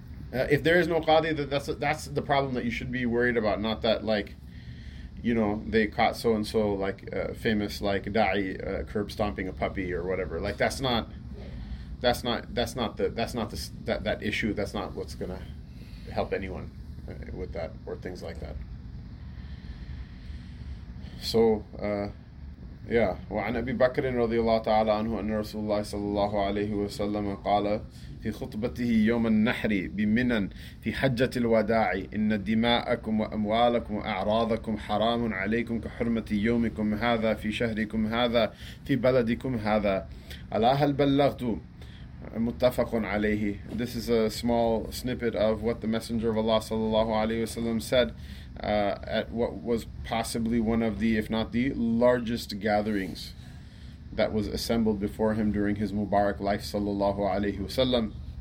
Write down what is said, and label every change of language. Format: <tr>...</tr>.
<en>If there is no qadi, then that's the problem that you should be worried about, not that, like, you know, they caught so-and-so, like, famous, like, da'i curb-stomping a puppy or whatever. Like, that's not the issue. That's not what's going to help anyone with that or things like that. So, yeah.</en> <ar>وَعَنْ أَبِي بَكْرٍ رَضِيَ اللَّهُ تَعَالَىٰ عَنْهُ أَنَّ رَسُولَ اللَّهِ صَلَّى اللَّهُ عَلَيْهُ وَسَلَّمَ قَالَ في خطبته يوم النحر بمنى في حجة الوداع إن دماءكم وأموالكم وأعراضكم حرام عليكم كحرمة يومكم هذا في شهركم هذا في بلدكم هذا على هل بلغت متفق عليه.</ar> <en>This is a small snippet of what the Messenger of Allah صلى الله عليه وسلم said at what was possibly one of the, if not the largest gatherings that was assembled before him during his Mubarak life, sallallahu alayhi wasallam.</en>